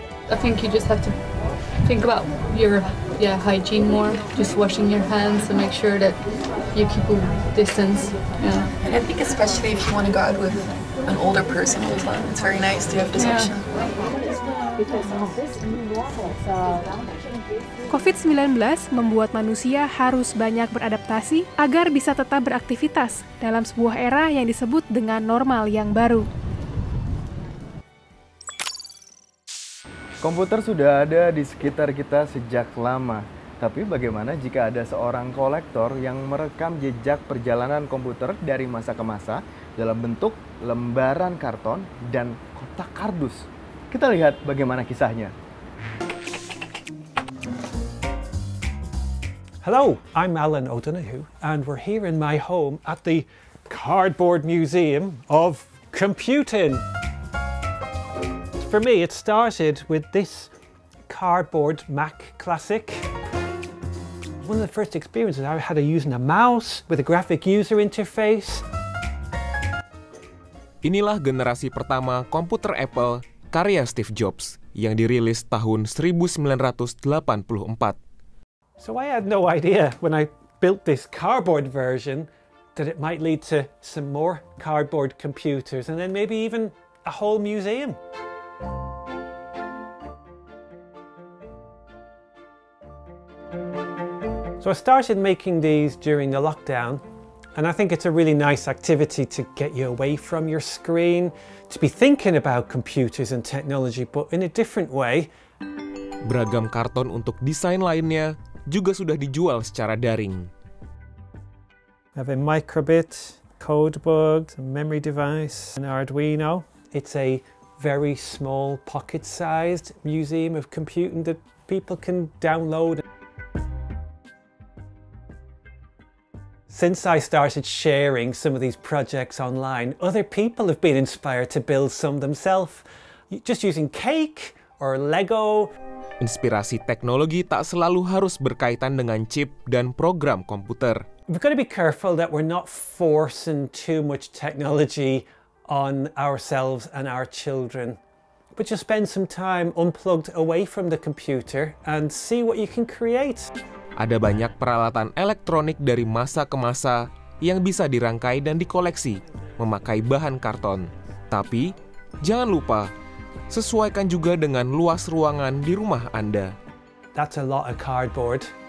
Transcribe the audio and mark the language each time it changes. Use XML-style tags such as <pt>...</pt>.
<en>I think you just have to think about your hygiene more, just washing your hands and make sure that you keep a distance. Yeah. And I think especially if you want to go out with an older person, it's very nice to have this option.</en> <id>COVID-19 membuat manusia harus banyak beradaptasi agar bisa tetap beraktivitas dalam sebuah era yang disebut dengan normal yang baru. Komputer sudah ada di sekitar kita sejak lama. Tapi bagaimana jika ada seorang kolektor yang merekam jejak perjalanan komputer dari masa ke masa dalam bentuk lembaran karton dan kotak kardus? Kita lihat bagaimana kisahnya.</id> <en>Hello, I'm Alan O'Donoghue and we're here in my home at the Cardboard Museum of Computing. For me, it started with this cardboard Mac Classic. One of the first experiences I had of using a mouse with a graphic user interface.</en> <id>Inilah generasi pertama komputer Apple karya Steve Jobs yang dirilis tahun 1984.</id> <en>So I had no idea when I built this cardboard version that it might lead to some more cardboard computers and then maybe even a whole museum. So I started making these during the lockdown, and I think it's a really nice activity to get you away from your screen, to be thinking about computers and technology, but in a different way.</en> <id>Beragam karton untuk desain lainnya juga sudah dijual secara daring.</id> <en>I have a Microbit, Codebug, memory device, an Arduino. It's a very small pocket-sized museum of computing that people can download. Since I started sharing some of these projects online, other people have been inspired to build some themselves, just using cake or Lego.</en> <id>Inspirasi teknologi tak selalu harus berkaitan dengan chip dan program komputer.</id> <en>We've got to be careful that we're not forcing too much technology on ourselves and our children. But just spend some time unplugged away from the computer and see what you can create.</en> <id>Ada banyak peralatan elektronik dari masa ke masa yang bisa dirangkai dan dikoleksi memakai bahan karton. Tapi, jangan lupa, sesuaikan juga dengan luas ruangan di rumah Anda.</id> <en>That's a lot of cardboard.</en>